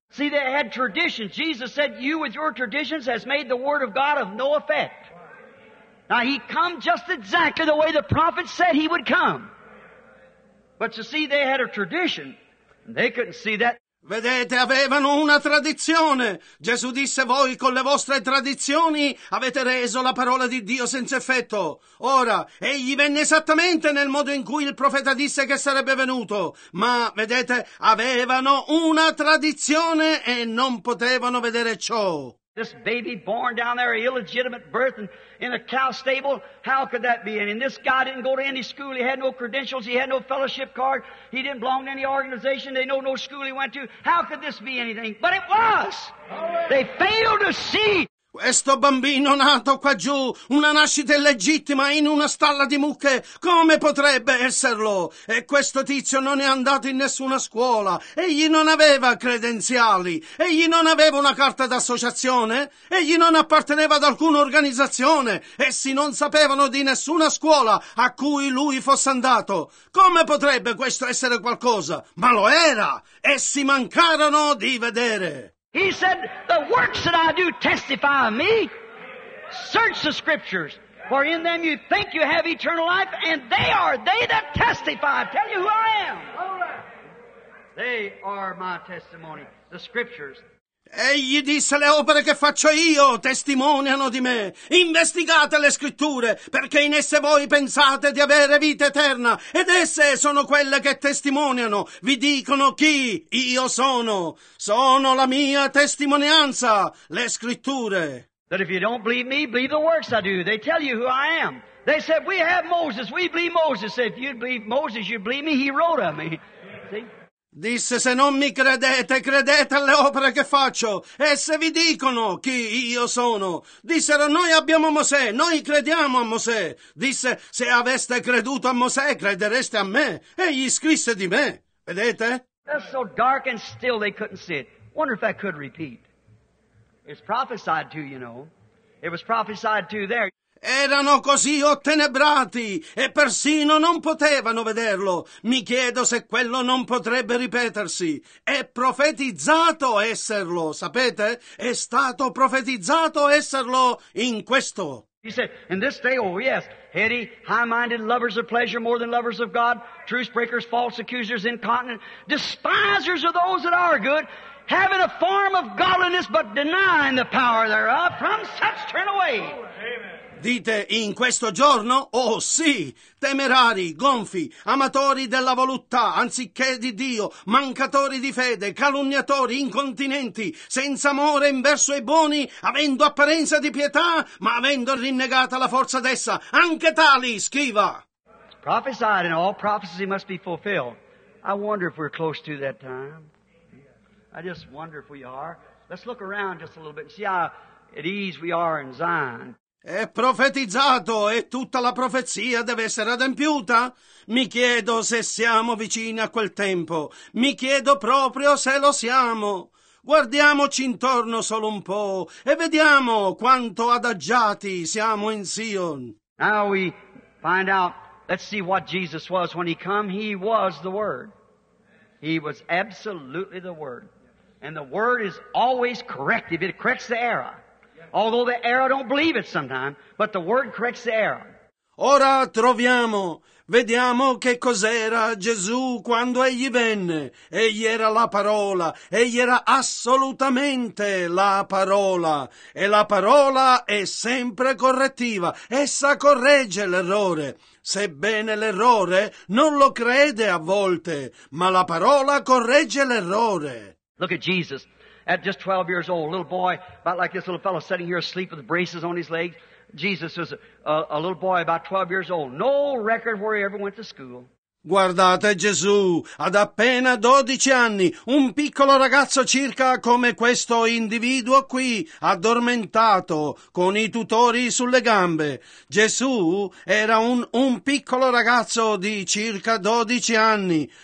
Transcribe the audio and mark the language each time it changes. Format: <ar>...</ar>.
<en>See, they had traditions. Jesus said, "You with your traditions has made the word of God of no effect." Now, he come just exactly the way the prophet said he would come. But you see, they had a tradition. And they couldn't see that.</en> <it>Vedete, avevano una tradizione. Gesù disse: voi con le vostre tradizioni avete reso la parola di Dio senza effetto. Ora, egli venne esattamente nel modo in cui il profeta disse che sarebbe venuto. Ma, vedete, avevano una tradizione e non potevano vedere ciò.</it> <en>This baby born down there, illegitimate birth and in a cow stable, how could that be? And this guy didn't go to any school, he had no credentials, he had no fellowship card, he didn't belong to any organization, they know no school he went to. How could this be anything? But it was! They failed to see!</en> <it>Questo bambino nato qua giù, una nascita illegittima in una stalla di mucche, come potrebbe esserlo? E questo tizio non è andato in nessuna scuola, egli non aveva credenziali, egli non aveva una carta d'associazione, egli non apparteneva ad alcuna organizzazione, essi non sapevano di nessuna scuola a cui lui fosse andato. Come potrebbe questo essere qualcosa? Ma lo era! Essi mancarono di vedere!</it> <en>He said, the works that I do testify of me. Search the scriptures, for in them you think you have eternal life, and they are they that testify. I tell you who I am. They are my testimony, the scriptures.</en> <it>Egli disse, le opere che faccio io testimoniano di me. Investigate le scritture, perché in esse voi pensate di avere vita eterna, ed esse sono quelle che testimoniano, vi dicono chi io sono. Sono la mia testimonianza, le scritture.</it> <en>That if you don't believe me, believe the works I do. They tell you who I am. They said, we have Moses, we believe Moses. If you'd believe Moses, you'd believe me, he wrote of me. See?</en> <it>Disse, se non mi credete, credete alle opere che faccio, e se vi dicono chi io sono. Dissero, noi abbiamo Mosè, noi crediamo a Mosè. Disse, se aveste creduto a Mosè, credereste a me. Egli scrisse di me. Vedete?</it> <en>It's so dark and still they couldn't see it. Wonder if that could repeat. It's prophesied to, you know. It was prophesied to there.</en> <it>Erano così ottenebrati e persino non potevano vederlo. Mi chiedo se quello non potrebbe ripetersi. È profetizzato esserlo, sapete? È stato profetizzato esserlo in questo.</it> <en>He said, in this day, oh yes, heady, high-minded, lovers of pleasure more than lovers of God, truth-breakers, false accusers, incontinent, despisers of those that are good, having a form of godliness but denying the power thereof, from such turn away.</en> <it>Dite, in questo giorno, oh sì, temerari, gonfi, amatori della voluttà, anziché di Dio, mancatori di fede, calunniatori, incontinenti, senza amore in verso ai buoni, avendo apparenza di pietà, ma avendo rinnegata la forza d'essa, anche tali, scriva.</it> <en>It's prophesied and all prophecy must be fulfilled. I wonder if we're close to that time. I just wonder if we are. Let's look around just a little bit and see how at ease we are in Zion.</en> <it>È profetizzato e tutta la profezia deve essere adempiuta? Mi chiedo se siamo vicini a quel tempo. Mi chiedo proprio se lo siamo. Guardiamoci intorno solo un po' e vediamo quanto adagiati siamo in Sion.</it> <en>Now we find out, let's see what Jesus was. When he come, he was the Word. He was absolutely the Word. And the Word is always corrective. It corrects the error. Although the error don't believe it sometimes, but the word corrects the error.</en> <it>Ora troviamo, vediamo che cos'era Gesù quando egli venne. Egli era la parola, egli era assolutamente la parola. E la parola è sempre correttiva, essa corregge l'errore. Sebbene l'errore non lo crede a volte, ma la parola corregge l'errore.</it> <en>Look at Jesus. At just 12 years old, a little boy, about like this little fellow sitting here asleep with braces on his legs. Jesus was a little boy about 12 years old. No record where he ever went to school.</en> <it>Guardate Gesù, ad appena 12 anni, un piccolo ragazzo circa come questo individuo qui, addormentato, con i tutori sulle gambe. Gesù era un piccolo ragazzo di circa 12 anni.</it>